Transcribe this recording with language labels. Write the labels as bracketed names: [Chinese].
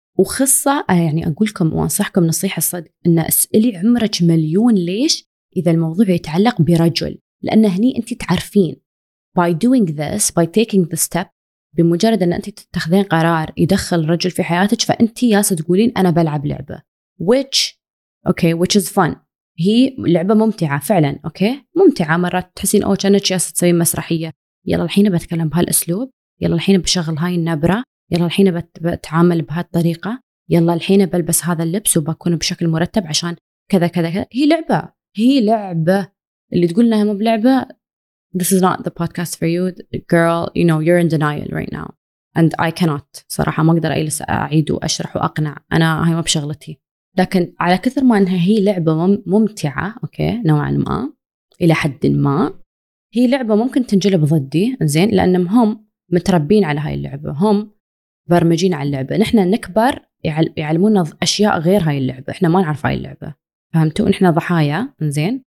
[Arabic] وخصة يعني أقولكم وأنصحكم نصيحة الصدق، أن أسئلي عمرك مليون ليش إذا الموضوع يتعلق برجل، لأن هني أنت تعرفين [English] by doing this by taking the step، [Arabic] بمجرد أن أنت تتخذين قرار يدخل رجل في حياتك، فأنت ياسة تقولين أنا بلعب لعبة [English] which okay which is fun، [Arabic] هي لعبة ممتعة فعلا okay ممتعة. مرات تحسين أو كأنك ياسة تسوي مسرحية، يلا الحين بتكلم بهالأسلوب، يلا الحين بشغل هاي النبرة، يلا الحين بتعامل بهالطريقة، يلا الحين بلبس هذا اللبس وبكون بشكل مرتب عشان كذا كذا كذا. هي لعبة، هي لعبة. اللي تقول لها مو بلعبة، [English] this is not the podcast for you girl, you know you're in denial right now and I cannot، [Arabic] صراحة ما أقدر أجلس أعيد وأشرح وأقنع، أنا هاي ما بشغلتي. لكن على كثر ما أنها هي لعبة ممتعة أوكي نوعا ما إلى حد ما، هي لعبة ممكن تنجلب ضدي زين، لأنهم هم متربين على هاي اللعبة، هم برمجين على اللعبة. نحن نكبر يعلمونا أشياء غير هاي اللعبة، إحنا ما نعرف هاي اللعبة، فهمتوا؟ إحنا ضحايا إنزين.